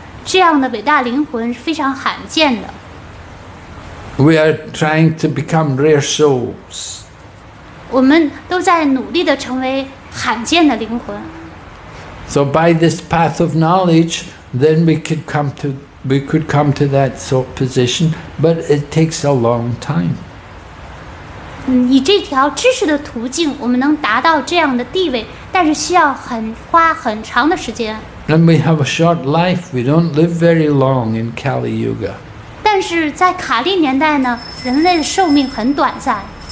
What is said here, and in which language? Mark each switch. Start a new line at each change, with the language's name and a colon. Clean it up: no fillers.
Chinese: 这样的伟大灵魂是非常罕见的。
English: We are trying to become rare souls.
Chinese: 我们都在努力地成为罕见的灵魂。
English: So by this path of knowledge, then we could come to that sort of position, but it takes a long time.
Chinese: 以这条知识的途径，我们能达到这样的地位，但是需要花很长的时间。
English: And we have a short life. We don't live very long in Kali Yuga.
Chinese: 但是在卡利年代呢，人类的寿命很短暂。